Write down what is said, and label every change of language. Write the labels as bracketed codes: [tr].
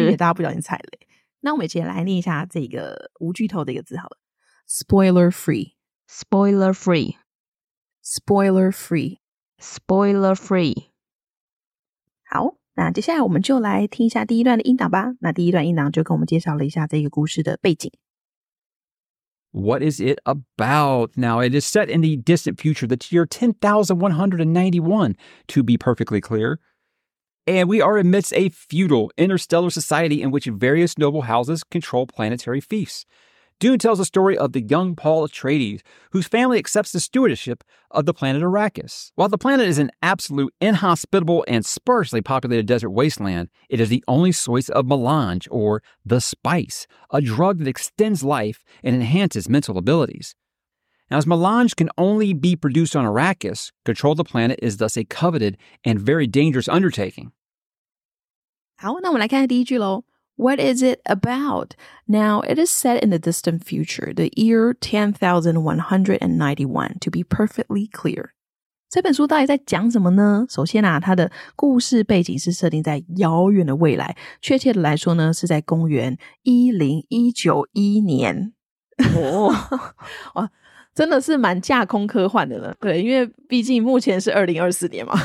[zh] 因为大家不小心踩雷。那我们先来念一下这个无剧透的一个字好了， spoiler free [en] spoiler free spoiler free spoiler free。 [zh] 好，那接下来我们就来听一下第一段的音档吧。那第一段音档就跟我们介绍了一下这个故事的背景。 [en] What is it about? Now, it is set in the distant future, the year 10,191, to be perfectly clear. And we are amidst a feudal interstellar society in which various noble houses control planetary fiefs. Dune tells the story of the young Paul Atreides, whose family accepts the stewardship of the planet Arrakis. While the planet is an absolute inhospitable and sparsely populated desert wasteland, it is the only source of melange, or the spice, a drug that extends life and enhances mental abilities. Now, as melange can only be produced on Arrakis, control of the planet is thus a coveted and very dangerous undertaking. [zh] 好，那我们来看第一句咯。 [en] What is it about? Now, it is set in the distant future, the year 10,191, to be perfectly clear. [zh] 这本书到底在讲什么呢？首先啊，它的故事背景是设定在遥远的未来，确切的来说呢，是在公元10191年。真的是蛮架空科幻的了，对，因为毕竟目前是2024年嘛。